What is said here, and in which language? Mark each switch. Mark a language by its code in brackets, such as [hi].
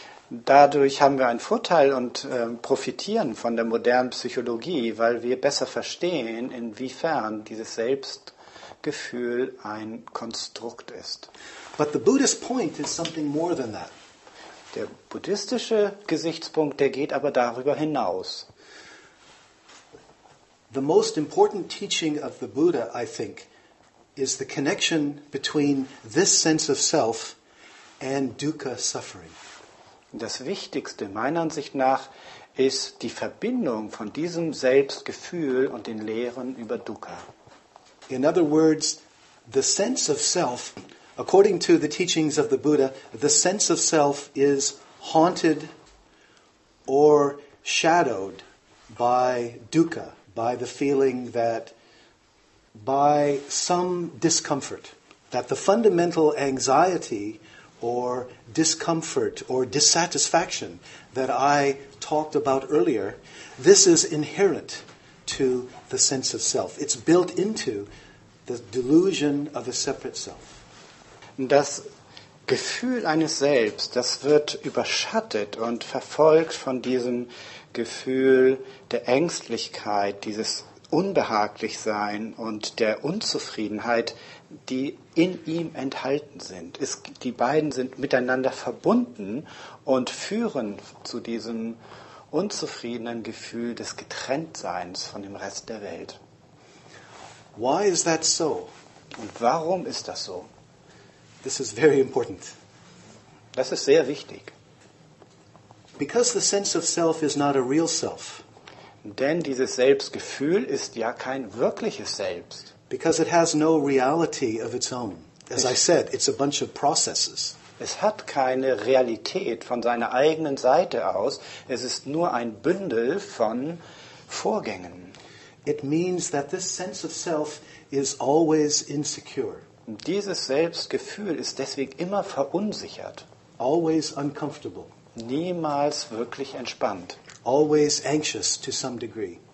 [de] Dadurch haben wir einen Vorteil und profitieren von der modernen Psychologie, weil wir besser verstehen, inwiefern dieses Selbstgefühl ein Konstrukt ist. [en] But the Buddhist point is something more than that. [de] Der buddhistische Gesichtspunkt, der geht aber darüber hinaus. [en] The most important teaching of the Buddha, I think, is the connection between this sense of self and dukkha, suffering. [de] Das Wichtigste meiner Ansicht nach ist die Verbindung von diesem Selbstgefühl und den Lehren über Dukkha. [en] In other words, the sense of self, according to the teachings of the Buddha, the sense of self is haunted or shadowed by dukkha, by the feeling that, by some discomfort, that the fundamental anxiety or discomfort or dissatisfaction that I talked about earlier, this is inherent to the sense of self. It's built into the delusion of a separate self. [de] Das Gefühl eines Selbst, das wird überschattet und verfolgt von diesem Gefühl der Ängstlichkeit, dieses Unbehaglichsein und der Unzufriedenheit, die in ihm enthalten sind. Die beiden sind miteinander verbunden und führen zu diesem unzufriedenen Gefühl des Getrenntseins von dem Rest der Welt. [en] Why is that so? [de] Und warum ist das so? [en] This is very important. [de] Das ist sehr wichtig. [en] Because the sense of self is not a real self. [de] Denn dieses Selbstgefühl ist ja kein wirkliches Selbst. [en] Because it has no reality of its own. As I said, it's a bunch of processes. [de] Es hat keine Realität von seiner eigenen Seite aus. Es ist nur ein Bündel von Vorgängen. [en] It means that this sense of self is always insecure. [de] Dieses Selbstgefühl ist deswegen immer verunsichert. [en] Always uncomfortable. [de] Niemals wirklich entspannt. [en] Always anxious to some degree.